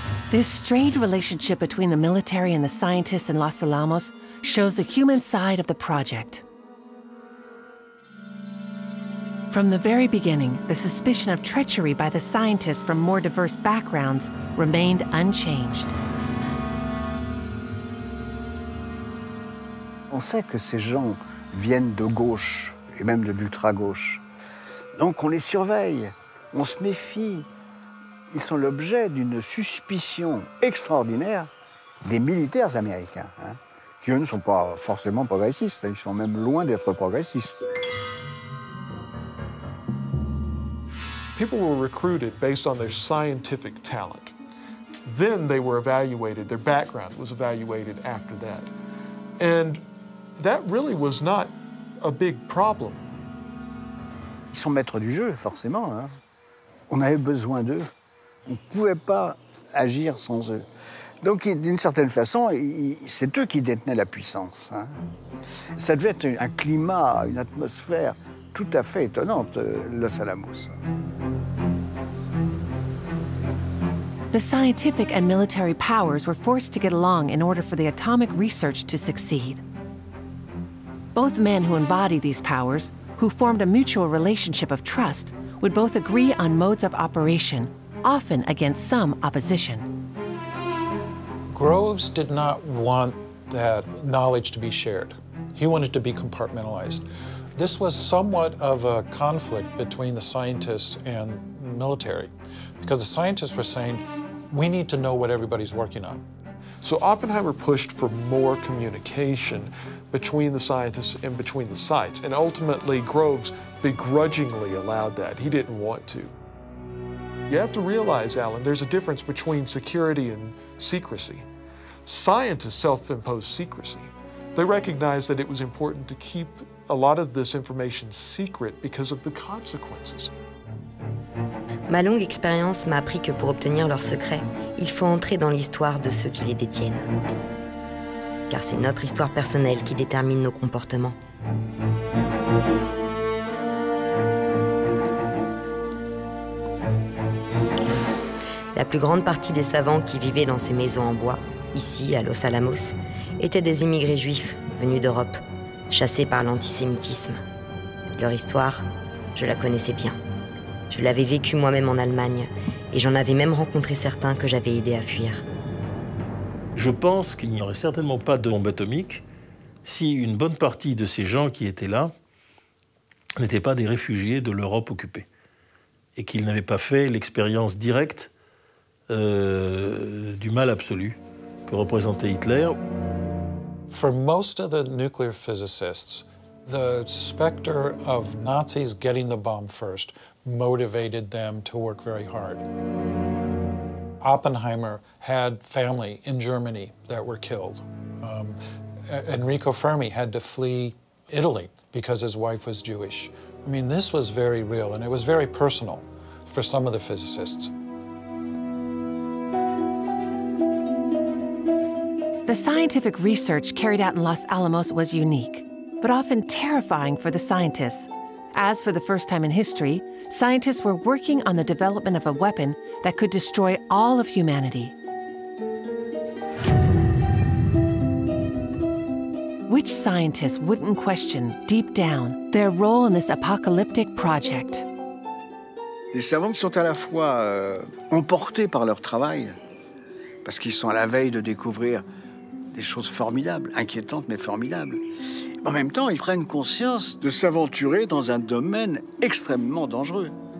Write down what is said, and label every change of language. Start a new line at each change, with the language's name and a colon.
English: This strained relationship between the military and the scientists in Los Alamos shows the human side of the project. From the very beginning, the suspicion of treachery by the scientists from more diverse backgrounds remained unchanged.
French: On sait que ces gens viennent de gauche et même de l'ultra-gauche. Donc on les surveille, on se méfie. Ils sont l'objet d'une suspicion extraordinaire des militaires américains, hein, qui eux ne sont pas forcément progressistes, ils sont même loin d'être progressistes.
English: People were recruited based on their scientific talent. Then they were evaluated, their background was evaluated after that. And that really was not a big problem.
French: Ils sont maîtres du jeu, forcément, hein. On avait besoin d'eux. On ne pouvait pas agir sans eux. Donc, d'une certaine façon, c'est eux qui détenaient la puissance. Hein. Ça devait être un climat, une atmosphère tout à fait étonnante, Los Alamos.
English: The scientific and military powers were forced to get along in order for the atomic research to succeed. Both men who embody these powers, who formed a mutual relationship of trust, would both agree on modes of operation, often against some opposition. Groves did not want that knowledge to be shared. He wanted to be compartmentalized. This was somewhat of a conflict between the scientists and military, because the scientists were saying, we need to know what everybody's working on. So Oppenheimer pushed for more communication between the scientists and between the sites, and ultimately Groves begrudgingly allowed that. He didn't want to. You have to realize, Alan, there's a difference between security and secrecy. Scientists self-imposed secrecy. They recognized that it was important to keep a lot of this information secret because of the consequences.
French: Ma longue expérience m'a appris que pour obtenir leurs secrets, il faut entrer dans l'histoire de ceux qui les détiennent. Car c'est notre histoire personnelle qui détermine nos comportements. La plus grande partie des savants qui vivaient dans ces maisons en bois, ici à Los Alamos, étaient des immigrés juifs venus d'Europe, chassés par l'antisémitisme. Leur histoire, je la connaissais bien. Je l'avais vécue moi-même en Allemagne, et j'en avais même rencontré certains que j'avais aidés à fuir. Je pense qu'il n'y aurait certainement pas de bombe atomique si une bonne partie de ces gens qui étaient là n'étaient pas des réfugiés de l'Europe occupée, et qu'ils n'avaient pas fait l'expérience directe du mal absolu que représentait Hitler.
English: For most of the nuclear physicists, the specter of Nazis getting the bomb first motivated them to work very hard. Oppenheimer had family in Germany that were killed. Enrico Fermi had to flee Italy because his wife was Jewish. I mean, this was very real, and it was very personal for some of the physicists. The scientific research carried out in Los Alamos was unique, but often terrifying for the scientists. As for the first time in history, scientists were working on the development of a weapon that could destroy all of humanity. Which scientists wouldn't question, deep down, their role in this apocalyptic project?
French: Les savants sont à la fois emportés par leur travail, parce qu'ils sont à la veille de découvrir des choses formidables, inquiétantes, mais formidables. En même temps, ils prennent conscience de s'aventurer dans un domaine extrêmement dangereux.